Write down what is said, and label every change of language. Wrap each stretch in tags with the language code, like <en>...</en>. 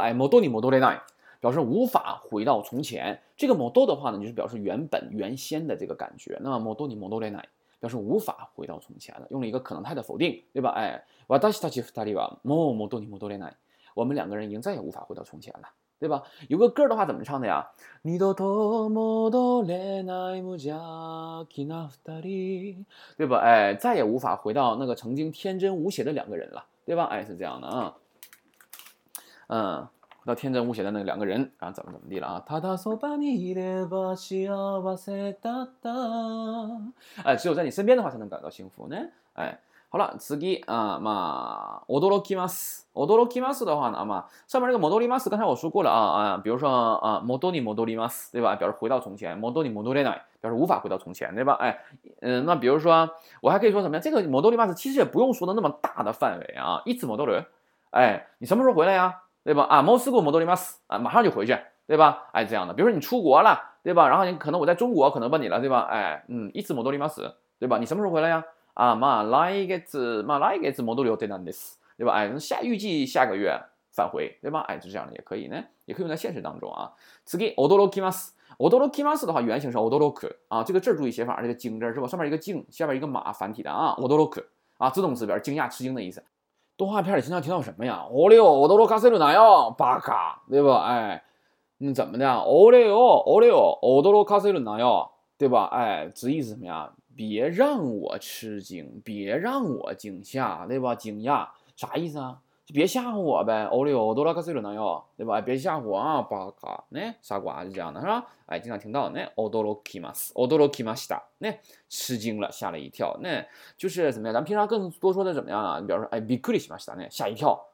<zh>哎，戻れない，表示无法回到从前。这个戻的话呢，就是表示原本、原先的这个感觉。那么戻れない，表示无法回到从前的，用了一个可能态的否定，对吧？</zh> <ja>哎，私たち二人はもう戻に戻れない。</ja> <zh>我们两个人已经再也无法回到从前了，对吧？有个歌的话怎么唱的呀？</zh> <ja>二度と戻れない無邪気な二人，</ja> <zh>对吧？哎，再也无法回到那个曾经天真无邪的两个人了，对吧？哎，是这样的啊。回到天真无邪的那两个人啊，怎么怎么地了啊？</zh> <ja>ただそばにいれば幸せだった。</ja> <zh>哎，只有在你身边的话才能感到幸福呢。哎。好了，次啊，驚きます。驚きます的话呢，上面这个戻ります，刚才我说过了啊，比如说啊，戻に戻ります，对吧？表示回到从前，戻に戻れない，表示无法回到从前，对吧？哎，那比如说，我还可以说什么呀？这个戻ります其实也不用说的那么大的范围啊，</zh> <ja>いつ戻る？</ja> <zh>哎，你什么时候回来呀？对吧？啊，</zh> <ja>もうすぐ戻ります，</ja> <zh>啊，马上就回去，对吧？哎，这样的，比如说你出国了，对吧？然后你可能我在中国可能问你了，对吧？哎，</zh> <ja>いつ戻ります？</ja> <zh>对吧？你什么时候回来呀？啊，</zh> <ja>来月戻る予定なんです，</ja> <zh>对吧？哎，下预计下个月返回，对吧？哎，就这样的也可以呢，也可以用在现实当中啊。次，驚きます。驚きます的话，原型是驚く啊，这个字注意写法，这个京字是吧？上面一个京，下面一个马，繁体的啊。驚く啊，自动词表示惊讶、吃惊的意思。动画片里经常听到什么呀？</zh> <ja>オレを驚かせるなよ，バカ，</ja> <zh>对吧？哎，怎么的？</zh> <ja>オレを驚かせるなよ，对吧？</ja> <zh>哎，直译怎么样？别让我吃惊，别让我惊吓，对吧？惊讶啥意思啊？就别吓唬我呗。欧里奥多拉克斯鲁南哟，对吧？别吓唬我啊，巴卡呢？傻瓜是这样的，是吧？哎，经常听到呢。欧多罗基马斯，欧多罗基马西达，呢，吃惊了，吓了一跳，呢，就是怎么样？咱们平常更多说的怎么样啊？你比方说，哎，</zh> <ja>びっくりしました，</ja> <zh>呢，吓一跳。</zh>